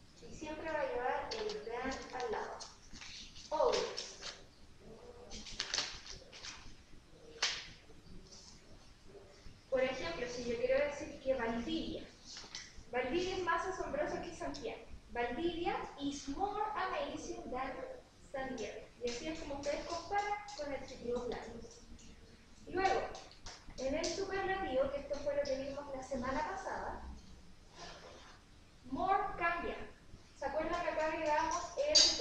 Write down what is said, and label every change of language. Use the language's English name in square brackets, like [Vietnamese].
[Spanish] Y siempre va a llevar el than al lado. Always. Por ejemplo, si yo quiero decir que Valdivia. Valdivia es más asombroso que Santiago. [English] Valdivia is more amazing than Santiago. [Spanish] Y así es como ustedes comparan con el sentido blanco. Luego. En el superlativo, que esto fue lo que vimos la semana pasada, more cambia. ¿Se acuerdan que acá agregamos ed?